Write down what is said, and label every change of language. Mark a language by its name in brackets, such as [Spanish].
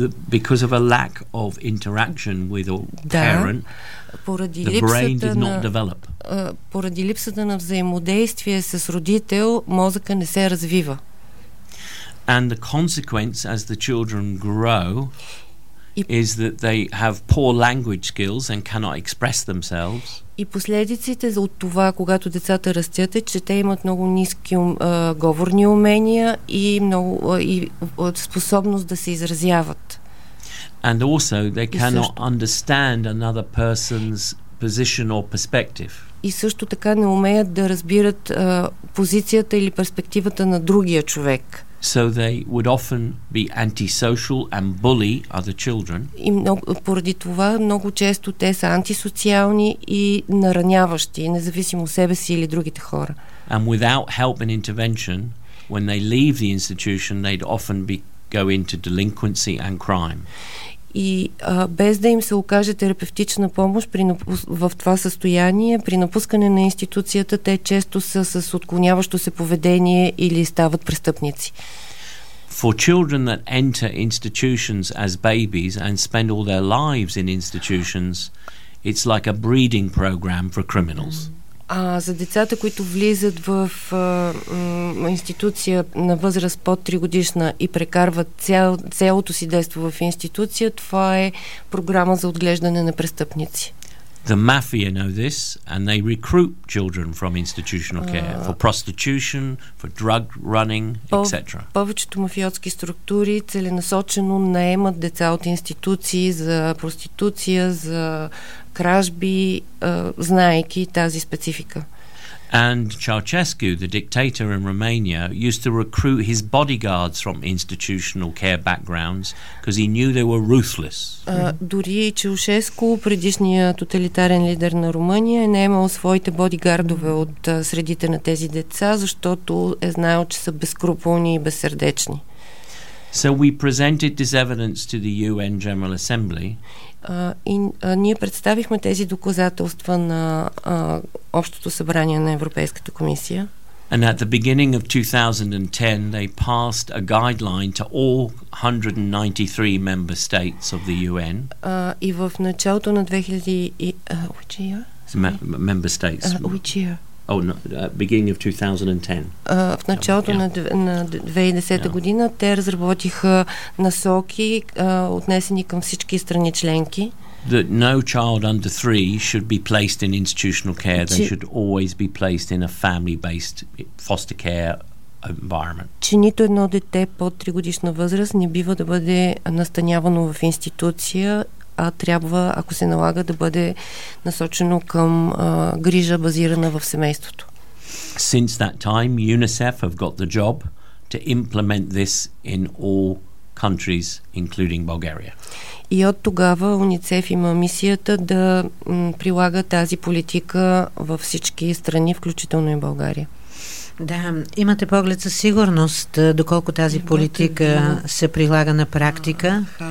[English] Because of a lack of interaction with a parent, the brain did not develop. [Bulgarian] Поради липсата на взаимодействие с родител, мозъка не се развива. [English] And the consequence as the children grow is that they have poor language skills and cannot express themselves. [Bulgarian] И последиците от това, когато децата растят, е, че те имат много ниски говорни умения и много и способност да се изразяват. [English] And also they cannot understand another person's position or perspective. [Bulgarian] И също така не умеят да разбират позицията или перспективата на другия човек. [English] So they would often be antisocial and bully other children. [Bulgarian] И много, поради това много често те са антисоциални и нараняващи, независимо себе си или другите хора. [English] And without help and intervention, when they leave the institution, they'd often be go into delinquency and crime. [Bulgarian] И без да им се окаже терапевтична помощ в това състояние, при напускане на институцията, те често са с отклоняващо се поведение или стават престъпници. [English] For children that enter institutions as babies and spend all their lives in institutions, it's like a breeding program for criminals. [Bulgarian] А за децата, които влизат в институция на възраст под 3 годишна и прекарват цялото си детство в институция, това е програма за отглеждане на престъпници. [English] The mafia know this and they recruit children from institutional care for prostitution, for drug running, etc. [Bulgarian] Повечето мафиотски структури целенасочено наемат деца от институции за проституция, за кражби, знаейки тази специфика. [English] And Ceausescu, the dictator in Romania, used to recruit his bodyguards from institutional care backgrounds because he knew they were ruthless. [Bulgarian] Дори Ceausescu, предишният тоталитарен лидер на Румъния, не е имал своите бодигардове от средите на тези деца, защото е знаел, че са безскрупулни и безсърдечни. [English] So we presented this evidence to the UN General Assembly. [Bulgarian] Ние представихме тези доказателства на Общото събрание на Европейската комисия. [English] And at the beginning of 2010, they passed a guideline to all 193 member states of the UN. [Bulgarian] И в началото на 2000 [English] which year? Member states. Which year? Oh, no, beginning of 2010. [Bulgarian] В началото на 2010 година те разработиха насоки, отнесени към всички страни членки. [English] That no child under 3 should be placed in institutional care. They should always be placed in a family-based foster care environment. [Bulgarian] Че нито едно дете под 3 годишна възраст не бива да бъде настанявано в институция, а трябва, ако се налага, да бъде насочено към грижа, базирана в семейството. [English] Since that time, UNICEF have got the job to implement this in all countries, including Bulgaria. [Bulgarian] И от тогава УНИЦЕФ има мисията да прилага тази политика във всички страни, включително и България. Да, имате поглед със сигурност доколко тази политика се прилага на практика.